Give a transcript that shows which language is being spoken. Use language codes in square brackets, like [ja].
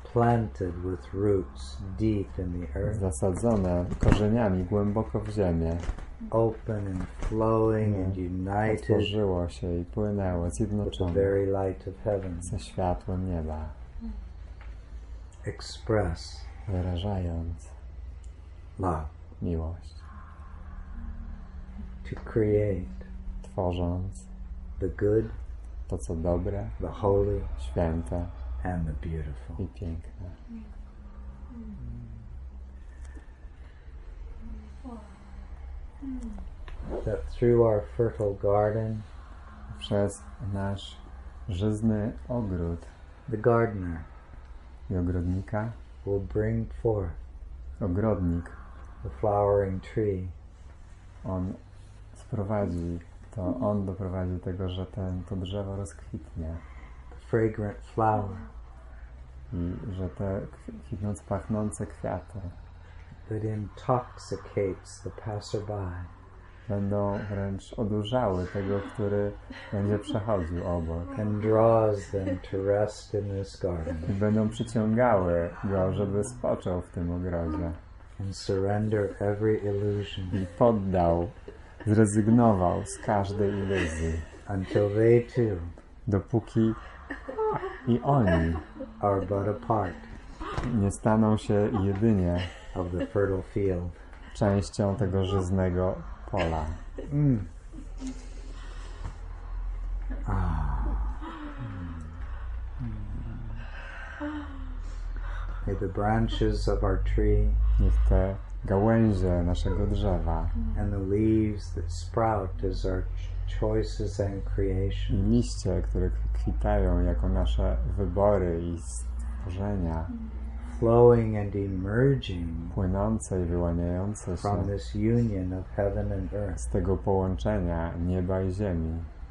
[en] planted with roots deep in the earth. [pl] Zasadzone korzeniami głęboko w ziemię. [en] Open and flowing and united. [pl] Otworzyło się i płynęło zjednoczone. [en] The very light of heaven. [pl] Ze światłem nieba. [en] Express. [pl] Wyrażając. [en] Love. [pl] Miłość. [en] To create. [pl] Tworząc. [en] The good. [pl] To co dobre. [en] The holy. [pl] Święte. [en] And the beautiful. [pl] I piękne. [en] That through our fertile garden, [pl] przez nasz żyzny ogród, [en] the gardener, [pl] i ogrodnika, [en] will bring forth, [pl] ogrodnik, [en] the flowering tree, [pl] on sprowadzi, to on doprowadzi tego, że to drzewo rozkwitnie. [en] Fragrant flower. [pl] I że te kwitnące, pachnące kwiaty [en] that intoxicates the passerby. [pl] Będą wręcz odurzały tego, który będzie przechodził obok. [en] And draws them to rest in this garden. [pl] I będą przyciągały go, żeby spoczął w tym ogrodzie. [en] And surrender every illusion. [pl] I poddał, zrezygnował z każdej iluzji. [en] Until they too. [pl] Dopóki i oni [en] are but a part. [pl] Nie staną się jedynie [en] of the fertile field. [pl] Częścią tego żyznego pola. Mm. Ah. [en] May the branches of our tree. [pl] Niech te gałęzie naszego drzewa. [en] And the leaves that sprout as our choices and creation. [pl] Liście, które kwitają jako nasze wybory i stworzenia. [en] Flowing and emerging [pl] płynące i wyłaniające się [en] from this union of heaven and earth, [pl] z tego połączenia nieba i ziemi,